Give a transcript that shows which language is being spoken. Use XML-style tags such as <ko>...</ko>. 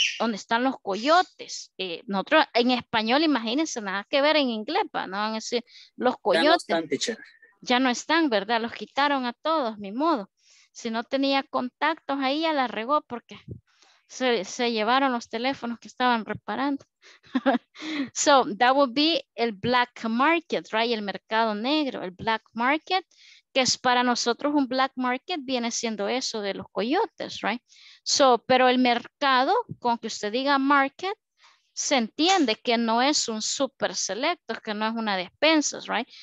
<es>Donde están los coyotes. Nosotros, en español, imagínense, nada que ver en inglés, ¿va? ¿No? Van a decir, los coyotes. Ya no están, ya no están, ¿verdad? Los quitaron a todos, ni modo. Si no tenía contactos ahí, ya la regó porque... Se llevaron los teléfonos que estaban reparando.</es> <en>So, that would be el black market, right?</en> <es>El mercado negro, el black market, que es para nosotros un black market, viene siendo eso de los coyotes, right? So, pero el mercado, con que usted diga market, se entiende que no es un super selecto, que no es una despensa, right?</es>